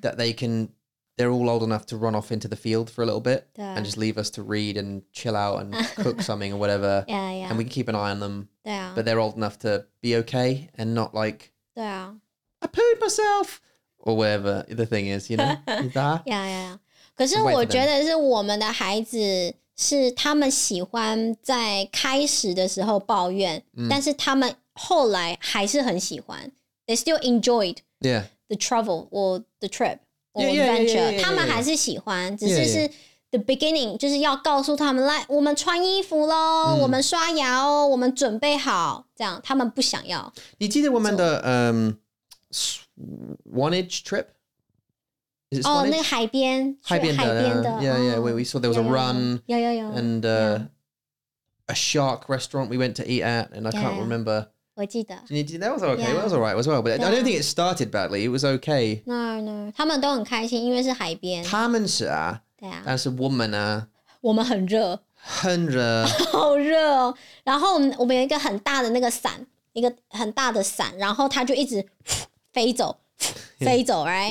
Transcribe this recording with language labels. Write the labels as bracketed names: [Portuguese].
[English] that they can， they're all old enough to run off into the field for a little bit， [Chinese] 对 [English] ，and just leave us to read and chill out and cook something or whatever， yeah yeah， and we can keep an eye on them， [Chinese] 对啊 [English] ，but they're old enough to be okay and not like， [Chinese] 对啊。 [English] I pooed myself, or whatever the thing is, you know. yeah, yeah. [Chinese] 可是我觉得是我们的孩子是他们喜欢在开始的时候抱怨，但是他们后来还是很喜欢。 [English] They still enjoyed, yeah, the travel or the trip or adventure. [Chinese] 他们还是喜欢，只是是 [English] the beginning， [Chinese] 就是要告诉他们来，我们穿衣服喽，我们刷牙哦，我们准备好这样。他们不想要。你记得我们的Swanage trip? [English] Is it Swanage? Oh, [Chinese] 那个海边。海边的。海边的 [English] yeah, yeah, yeah. We saw there was a run. Yeah, yeah, yeah. And a shark restaurant we went to eat at, and I can't remember. [Chinese] 我记得。 [English] That was okay. Yeah. That was all right as well. But I don't think it started badly. It was okay. No, no. [Chinese] 他们都很开心，因为是海边。他们是啊。对啊。但是我们啊。我们很热。很热。好热哦。然后我们有一个很大的那个伞，一个很大的伞，然后他就一直。飞走，飞走 ，right？